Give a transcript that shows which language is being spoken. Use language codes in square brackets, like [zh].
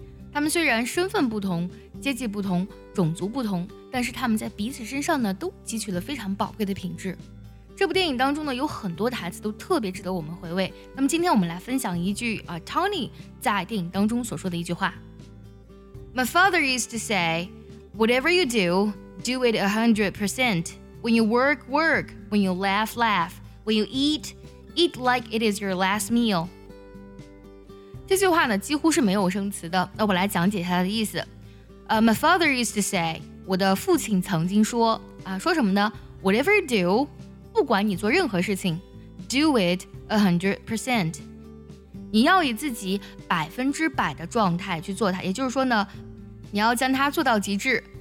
[zh] 他们虽然身份不同、阶级不同、种族不同，但是他们在彼此身上呢都汲取了非常宝贵的品质。这部电影当中呢有很多台词都特别值得我们回味，那么今天我们来分享一句Tony 在电影当中所说的一句话。 [en] My father used to say, Whatever you do, do it 100%. When you work, work. When you laugh, laugh. When you eat, eat like it is your last meal. [zh] 这句话呢几乎是没有生词的，那我来讲解一下它的意思。 [en] My father used to say, [zh] 我的父亲曾经说说什么呢？ [en] Whatever you do, [zh] 不管你做任何事情 [en] do it 100%， [zh] 你要以自己100%的状态去做它，也就是说呢你要将它做到极致。